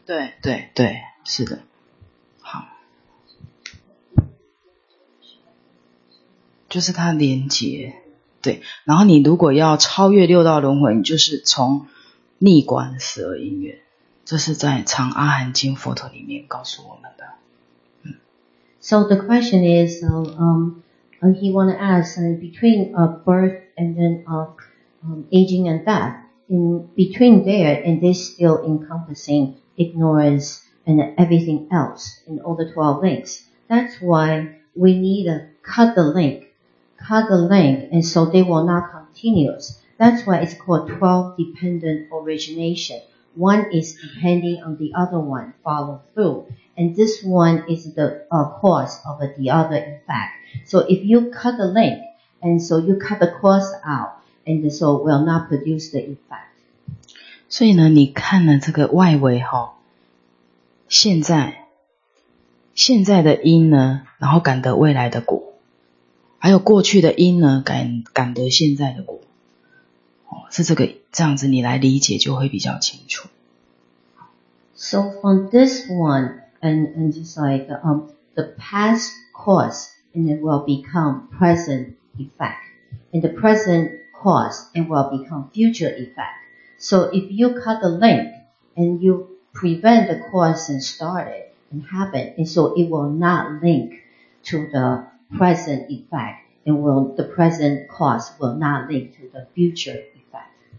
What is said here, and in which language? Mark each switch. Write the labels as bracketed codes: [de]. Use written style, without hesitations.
[zh] 对对对，是的。好，就是它连结，对。然后你如果要超越六道轮回，你就是从逆观十二因缘，这是在《长阿含经》佛陀里面告诉我们的。 [en] So the question is, he want to ask, between birth and then aging and death, in between there, and this still encompassing ignorance and everything else in all the 12 links. That's why we need to cut the link, and so they will not continuous. That's why it's called 12 dependent origination. One is depending on the other one, follow through. And this one is the cause of the other effect. So if you cut the link, and so you cut the cause out, and so will not produce the effect. [zh] 所以呢，你看了这个外围哈，现在的因呢，然后感得未来的果，还有过去的因呢，感得现在的果。是这个这样子，你来理解就会比较清楚。 [en] So from this one, and just like the past cause, and it will become present effect, and the present cause, it will become future effect. So if you cut the link and you prevent the cause and start it and happen, and so it will not link to the present effect, and will the present cause will not link to the future effect.